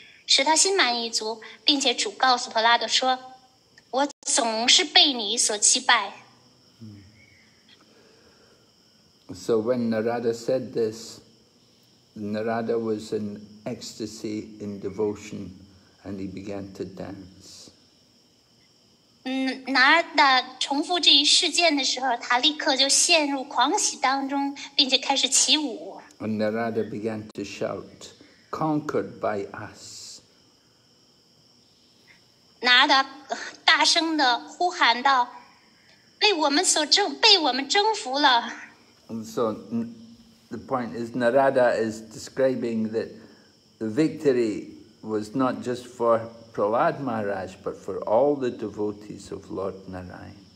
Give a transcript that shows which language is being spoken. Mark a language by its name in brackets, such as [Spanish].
[Chinese] 使他心满意足，并且主告诉普拉德说：“我总是被你所击败。” [English] So when Narada said this, Narada was in ecstasy in devotion, and he began to dance. [Chinese] 嗯，Narada重复这一事件的时候，他立刻就陷入狂喜当中，并且开始起舞。 [English] And Narada began to shout, "Conquered by us!" [Chinese] 拿达大声地呼喊道，被我们征服了。 [English] So the point is, Narada is describing that the victory was not just for Prahlad Maharaj, but for all the devotees of Lord Narayan.